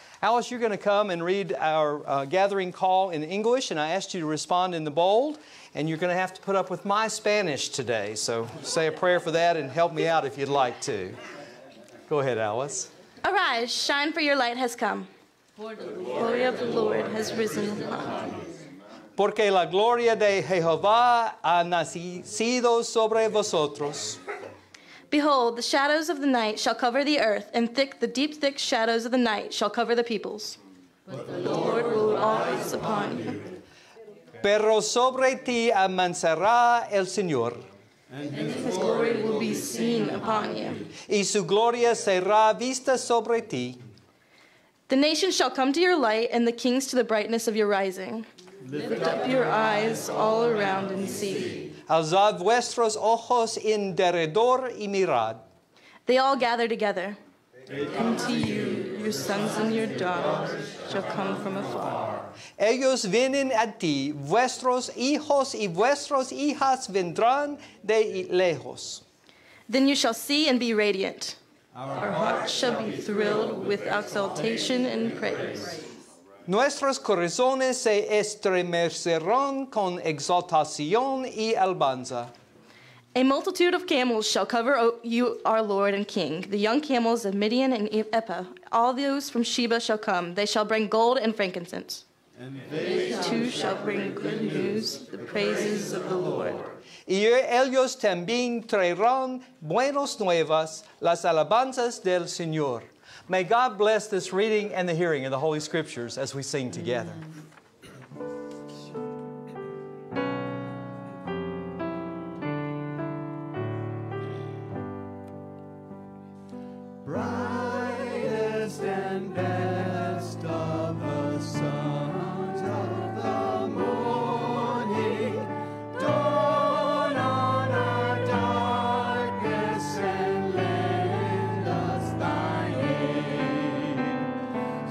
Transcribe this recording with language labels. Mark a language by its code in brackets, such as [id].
[en] Alice, you're going to come and read our gathering call in English, and I asked you to respond in the bold, and you're going to have to put up with my Spanish today. So say a prayer for that and help me out if you'd like to. Go ahead, Alice. Arise, shine, for your light has come. For the glory of the Lord has risen upon us. [es] Porque la gloria de Jehová ha nacido sobre vosotros. [en] Behold, the shadows of the night shall cover the earth, and the deep, thick shadows of the night shall cover the peoples. But the Lord will rise upon you. [es] Pero sobre ti amanecerá el Señor. [en] And His glory will be seen upon you. [es] Y su gloria será vista sobre ti. [en] The nations shall come to your light, and the kings to the brightness of your rising. Lift up your eyes all around and see. [es] Alzad vuestros ojos en derredor y mirad. [en] They all gather together. And to you, your sons and your daughters shall come from afar. [es] Ellos vienen a ti, vuestros hijos y vuestras hijas vendrán de lejos. [en] Then you shall see and be radiant. Our hearts shall be thrilled with exaltation and praise. [es] Nuestros corazones se estremecerán con exaltación y alabanza. [en] A multitude of camels shall cover you, our Lord and King, the young camels of Midian and Ephah. All those from Sheba shall come. They shall bring gold and frankincense. And they too shall bring good news, the praises of the Lord. [es] Y ellos también traerán buenas nuevas, las alabanzas del Señor. [en] May God bless this reading and the hearing of the Holy Scriptures as we sing together. Brightest and best of the sons of the morning, dawn on our darkness and lend us thy aid.